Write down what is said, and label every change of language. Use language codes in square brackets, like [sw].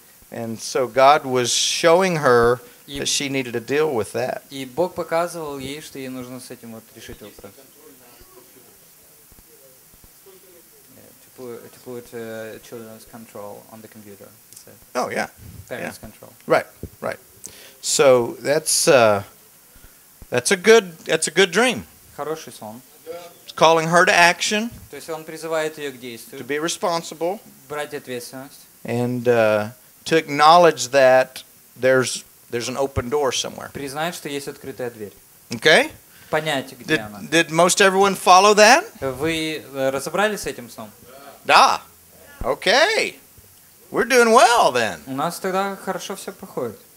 [en] And so God was showing her that she needed to deal with that. [ru] И Бог показывал ей, что ей нужно с этим вот решить вопрос. [en] To put children's control on the computer. So oh yeah. Parents yeah. control. Right, right. So that's a good dream. [ru] Хороший сон. [en] It's calling her to action. [ru] То есть он призывает ее к действию. [en] To be responsible. [ru] Брать ответственность. [en] And to acknowledge that there's an open door somewhere. [ru] Признать, что есть открытая дверь. [en] Okay. [ru] Понять, где она. [en] Did most everyone follow that? [ru] Вы разобрались с этим сном? Да. [en] Okay. We're doing well then. [ru] У нас тогда хорошо все проходит.